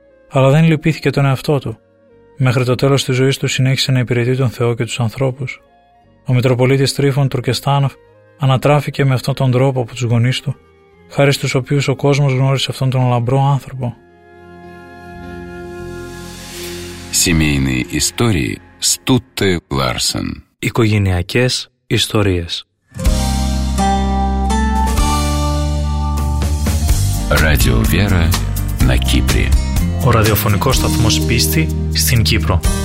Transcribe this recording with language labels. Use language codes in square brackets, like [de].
[el] Αλλά δεν λυπήθηκε τον εαυτό του. Μέχρι το τέλος της ζωής του συνέχισε να υπηρετεί τον Θεό και τους ανθρώπους. Ο Μητροπολίτης Τρίφων Τουρκεστάνοφ ανατράφηκε με αυτόν τον τρόπο από τους γονείς του, χάρη στους οποίους ο κόσμος γνώρισε αυτόν τον λαμπρό άνθρωπο. [ru] Семейные истории Стутте Ларсен. [el] Οικογενειακές ιστορίες. [ru] Радио Вера на Кипре. [el] Ο ραδιοφωνικός σταθμός πίστη στην Κύπρο.